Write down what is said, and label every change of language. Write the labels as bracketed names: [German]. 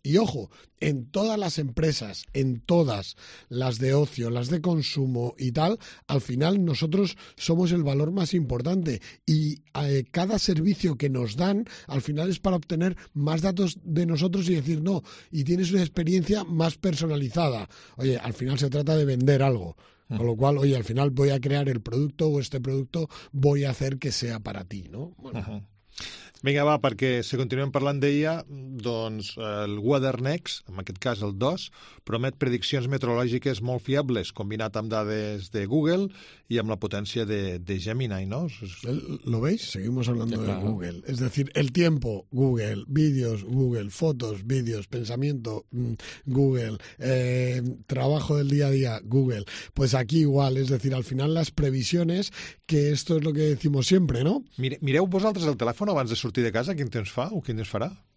[Spanish] Y ojo, en todas las empresas, en todas las de ocio, las de consumo y tal, al final nosotros somos el valor más importante y cada servicio que nos dan al final es para obtener más datos de nosotros y decir no, y tienes una experiencia más personalizada. Oye, al final se trata de vender algo, con lo cual, oye, al final voy a crear el producto o este producto voy a hacer que sea para ti, ¿no? Bueno. [Catalan] Vinga, va, perquè si continuem parlant d'IA, doncs el Weather Next, en aquest cas el 2, promet prediccions meteorològiques molt fiables, combinat amb dades de Google i amb la potència de Gemini, no? [Spanish] ¿Lo veis? Seguimos hablando de Google. Es decir, el tiempo, Google, vídeos, Google, fotos, vídeos, pensamiento, Google, trabajo del día a día, Google. Pues aquí igual, es decir, al final las previsiones, que esto es lo que decimos siempre, ¿no? [Catalan] Mireu vosaltres el telèfon abans de sortir de casa, quin temps fa o quin temps farà?